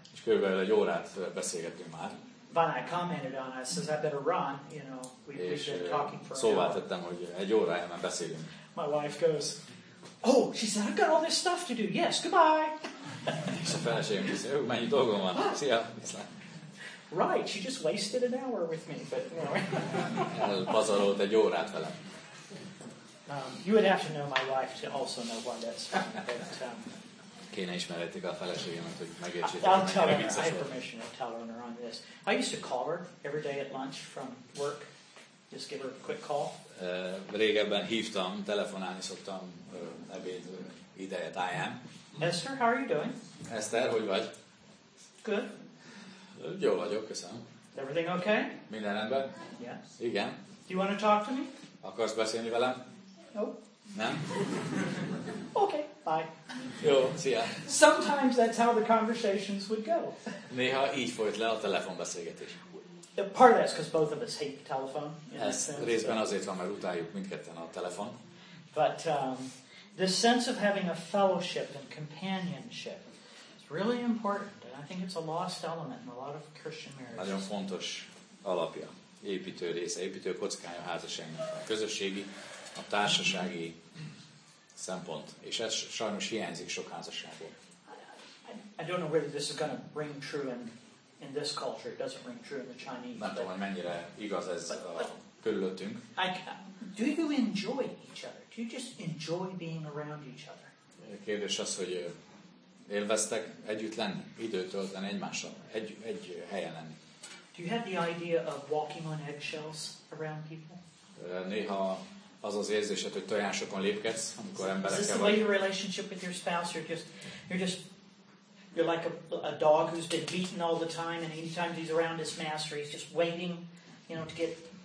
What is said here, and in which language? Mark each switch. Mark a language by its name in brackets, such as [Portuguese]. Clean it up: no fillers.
[Hungarian] És körülbelül egy órát beszélgettünk már. [English] Van, I commented on it, says I better run, you know, we've been talking for [Hungarian] szóval tettem, hogy egy óra elmen beszélünk. [English] My wife goes, oh, she said, I've got all this stuff to do, yes, goodbye. [Hungarian] És a feleségem is, jó, mennyi dolgom van, szia, viszlát. [English] Right, she just wasted an hour with me, but anyway. [Hungarian] Elpazarolt egy órát velem. [English] You would have to know my wife to also know what that's about. [Hungarian] Kéne ismerhetik a feleségemet, hogy megértsétek. [English] I'll tell her. I have permission to tell her on this. I used to call her every day at lunch from work. Just give her a quick call. [Hungarian] Régebben hívtam, telefonálni szoktam ebéd ideje táján. [English] Esther, how are you doing? [Hungarian] Esther, hogy vagy? [English] Good. [Hungarian] Jól vagyok, köszönöm. [English] Everything okay? [Hungarian] Minden rendben? [English] Yes. [Hungarian] Igen. [English] Do you want to talk to me? [Hungarian] Akarsz beszélni velem? [English] No. [Hungarian] Nem? [English] Okay. Bye. [Hungarian] Jó, szia. [English] Sometimes that's how the conversations would go. [Hungarian] Néha így folyt le a telefonbeszélgetés. [English] Part of that's because both of us hate the telephone. [Hungarian] Ez részben azért van, mert utáljuk mindketten a telefon. [English] But the sense of having a fellowship and companionship is really important. And I think it's a lost element in a lot of Christian marriages. [Hungarian] Nagyon fontos alapja, építő része, építő kockája a házasságnak. A közösségi, a társasági szempont. És ez sajnos hiányzik sok házasságból. [English] I don't know whether this is going to ring true in this culture. It doesn't ring true in the Chinese. [Hungarian] Nem tudom, hogy mennyire igaz ez körülöttünk. [English] Do you enjoy each other? Do you just enjoy being around each other? [Hungarian] Kérdés az, hogy élveztek együtt lenni, időt tölteni egymással, egy helyen lenni. [English] Do you have the idea of walking on eggshells around people? [Hungarian] Néha az az érzésed, hogy tojásokon lépkedsz, amikor emberekkel vagy. [English] Is this the way your relationship with your spouse? You're just you're like a dog who's been beaten all the time, and anytime he's around his master, he's just waiting, you know, to get.